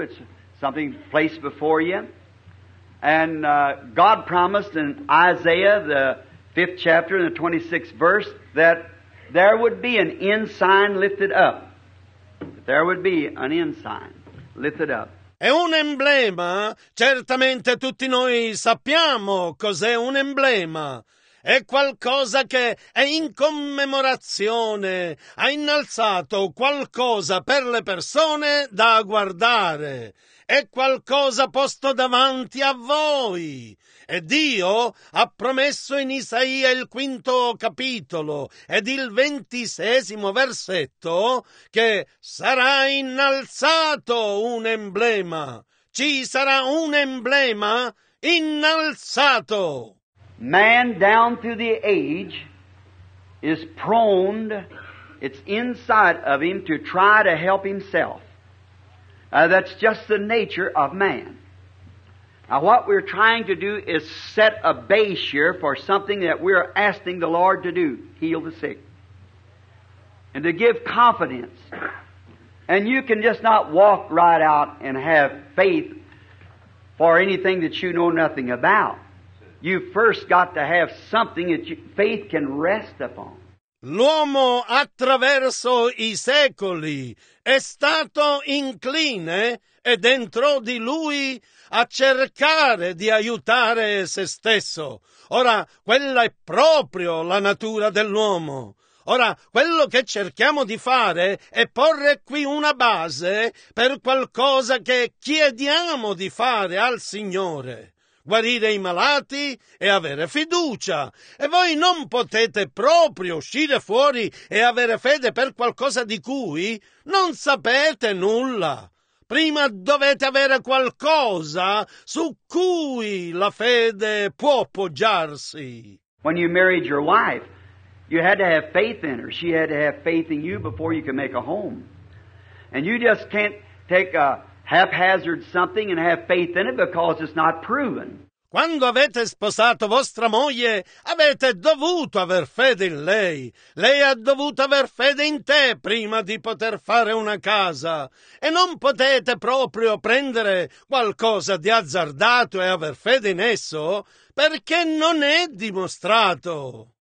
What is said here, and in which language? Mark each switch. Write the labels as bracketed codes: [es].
[en] It's something placed before you. And God promised in Isaiah, the 5th chapter and the 26th verse, that there would be an ensign lifted up. There would be an ensign lifted up. [it] È un emblema? Certamente tutti noi sappiamo cos'è un emblema. È qualcosa che è in commemorazione, ha innalzato qualcosa per le persone da guardare. È qualcosa posto davanti a voi. E Dio ha promesso in Isaia il 5° capitolo ed il 26° versetto che sarà innalzato un emblema. Ci sarà un emblema innalzato. [en] Man down through the age is prone, it's inside of him to try to help himself. That's just the nature of man. Now what we're trying to do is set a base here for something that we're asking the Lord to do, heal the sick. And to give confidence. And you can just not walk right out and have faith for anything that you know nothing about. You first got to have something that faith can rest upon. [it] L'uomo attraverso i secoli è stato incline e dentro di lui a cercare di aiutare se stesso. Ora, quella è proprio la natura dell'uomo. Ora, quello che cerchiamo di fare è porre qui una base per qualcosa che chiediamo di fare al Signore. guarire i malati e avere fiducia. E voi non potete proprio uscire fuori e avere fede per qualcosa di cui non sapete nulla. Prima dovete avere qualcosa su cui la fede può appoggiarsi. [en] When you married your wife, you had to have faith in her. She had to have faith in you before you could make a home. And you just can't take a haphazard something and have faith in it because it's not proven. [it] Quando avete sposato vostra moglie, avete dovuto aver fede in lei. Lei ha dovuto aver fede in te prima di poter fare una casa. E non potete proprio prendere qualcosa di azzardato e aver fede in esso perché non è dimostrato.